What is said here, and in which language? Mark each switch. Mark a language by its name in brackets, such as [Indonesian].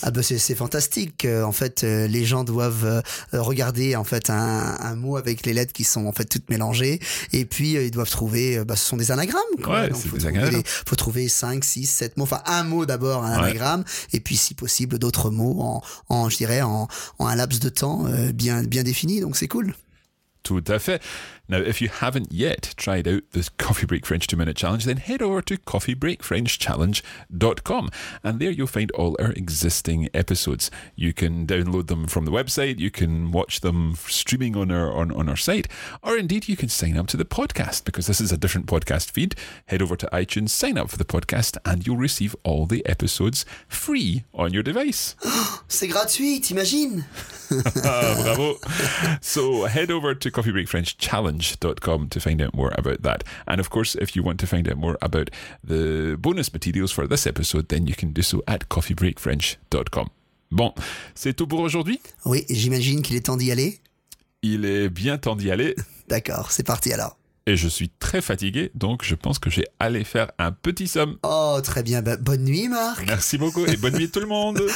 [French] Ah ben c'est fantastique. En fait, les gens doivent regarder en fait un mot avec les lettres qui sont en fait toutes mélangées. Et puis ils doivent trouver. Bah, ce sont des anagrammes. Quoi. Ouais, donc, c'est des anagrammes. Faut trouver 5, 6, 7 mots. Enfin, un mot d'abord, un anagramme. Ouais. Et puis, si possible, d'autres mots en un laps de temps bien défini. Donc c'est cool. Tout à fait. [English] Now, if you haven't yet tried out the Coffee Break French 2-Minute Challenge, then head over to coffeebreakfrenchchallenge.com. And there you'll find all our existing episodes. You can download them from the website. You can watch them streaming on our site. Or indeed, you can sign up to the podcast, because this is a different podcast feed. Head over to iTunes, sign up for the podcast, and you'll receive all the episodes free on your device. [French] C'est gratuit, t'imagines? Bravo. [English] So head over to coffeebreakfrenchchallenge.com to find out more about that. And of course, if you want to find out more about the bonus materials for this episode, then you can do so at coffeebreakfrench.com. [French] Bon, c'est tout pour aujourd'hui? Oui, j'imagine qu'il est temps d'y aller. Il est bien temps d'y aller. D'accord, c'est parti alors. Et je suis très fatigué, donc je pense que j'ai allé faire un petit somme. Oh, très bien. Bah, bonne nuit, Marc. Merci beaucoup et bonne nuit à tout le monde.